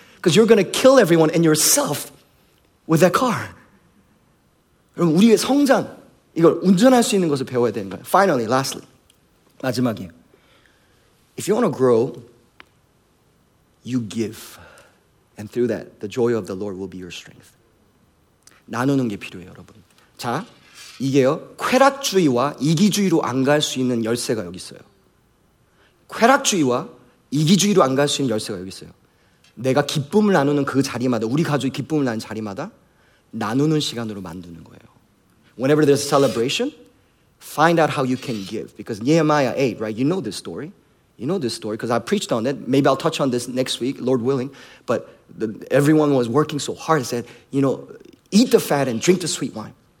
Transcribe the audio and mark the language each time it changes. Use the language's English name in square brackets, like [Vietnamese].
[English] Because you're going to kill everyone and yourself with that car. [Korean] 여러분, 우리의 성장. 이걸 운전할 수 있는 것을 배워야 되는 거예요. [English] Finally, lastly, [Korean] 마지막이. [English] If you want to grow, you give. And through that, the joy of the Lord will be your strength. [Korean] 나누는 게 필요해요, 여러분. 자, 이게요. 쾌락주의와 이기주의로 안 갈 수 있는 열쇠가 여기 있어요. 쾌락주의와 이기주의로 안 갈 수 있는 열쇠가 여기 있어요. 내가 기쁨을 나누는 그 자리마다, 우리 가족이 기쁨을 나누는 자리마다 나누는 시간으로 만드는 거예요. [English] Whenever there's a celebration, find out how you can give. Because Nehemiah 8, right? You know this story. You know this story because I preached on it. Maybe I'll touch on this next week, Lord willing. But everyone was working so hard. Said, you know, eat the fat and drink the sweet wine.